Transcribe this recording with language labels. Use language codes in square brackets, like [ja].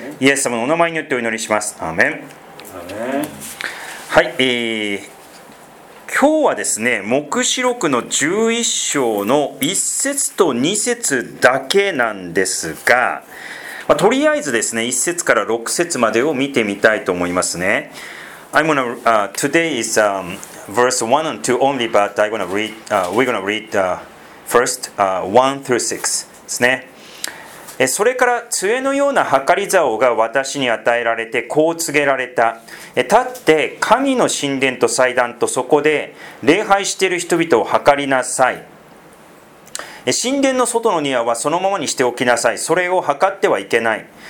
[ja] イエス様のお名前によってお祈りします。アーメン。はい、今日はですね、黙示録の11章の1節と2節だけなんですが、とりあえずですね、1節から6節までを見てみたいと思いますね。 [en] I'm gonna, today is verse 1 and 2 only, but I'm gonna read, we're gonna read first 1 through 6ですね。 [ja] それから杖のような計り竿が私に与えられて、こう告げられた。立って神の神殿と祭壇と、そこで礼拝している人々を計りなさい。神殿の外の庭はそのままにしておきなさい。それを計ってはいけない。